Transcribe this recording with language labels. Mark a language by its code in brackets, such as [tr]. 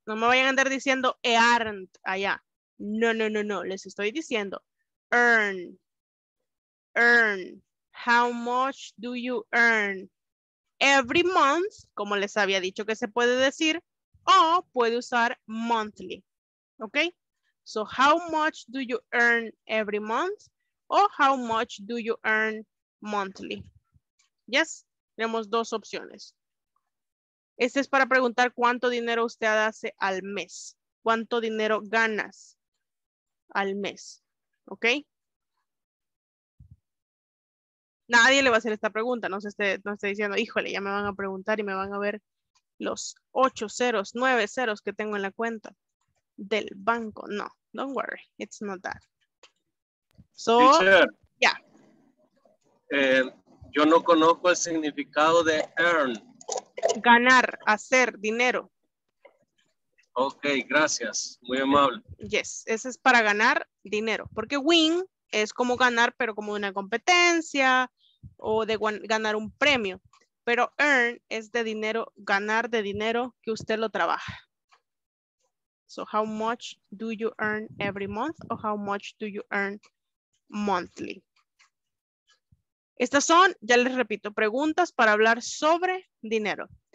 [es] No me vayan a andar diciendo earned allá. No, no, no, no. Les estoy diciendo earn. Earn. [en] How much do you earn every month? [es] Como les había dicho que se puede decir, o puede usar monthly. [en] Ok. So, how much do you earn every month? O how much do you earn monthly? Yes. [es] Tenemos dos opciones. Este es para preguntar cuánto dinero usted hace al mes. ¿Cuánto dinero ganas al mes? ¿Ok? Nadie le va a hacer esta pregunta. No esté diciendo, híjole, ya me van a preguntar y me van a ver los 8 ceros, 9 ceros que tengo en la cuenta del banco. [en] No, don't worry. It's not that. So, teacher, yeah. [es] Yo no conozco el significado de earn. Ganar, hacer dinero. Ok, gracias. Muy amable. Yes, ese es para ganar dinero. Porque win es como ganar, pero como una competencia o de ganar un premio. Pero earn es de dinero, ganar de dinero que usted lo trabaja. [en] So, how much do you earn every month or how much do you earn monthly? [es] Estas son, ya les repito, preguntas para hablar sobre dinero.